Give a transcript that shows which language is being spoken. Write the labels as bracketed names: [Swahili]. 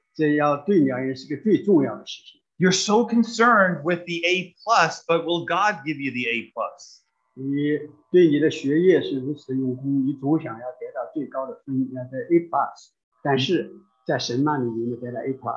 [Chinese] 这要对你而言是个最重要的事情。 [English] You're so concerned with the A+, but will God give you the A+? [Chinese] 你对你的学业是如此用功，你总想要得到最高的分，要得A+，但是在神那里你能得到A+。